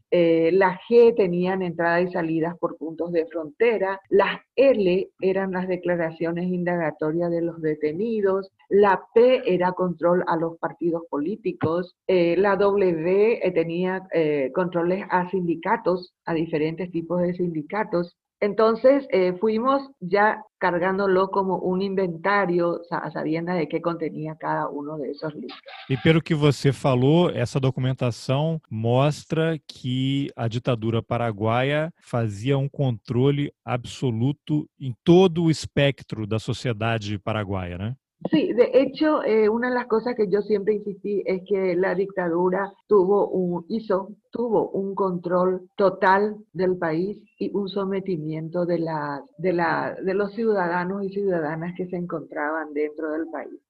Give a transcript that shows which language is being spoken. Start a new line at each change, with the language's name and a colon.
Spanish: La G tenían entradas y salidas por puntos de frontera, las L eran las declaraciones indagatorias de los detenidos, la P era control a los partidos políticos, la W tenía controles a sindicatos, a diferentes tipos de sindicatos. Entonces fuimos ya cargándolo como un inventario, a sabiendas de qué contenía cada uno de esos libros.
Portuguese: E pelo que você falou, essa documentação mostra que a ditadura paraguaia fazia um controle absoluto em todo o espectro da sociedade paraguaia, né?
Spanish: Sí, de hecho, una de las cosas que yo siempre insistí es que la dictadura tuvo un control total del país y un sometimiento de los ciudadanos y ciudadanas que se encontraban dentro del país.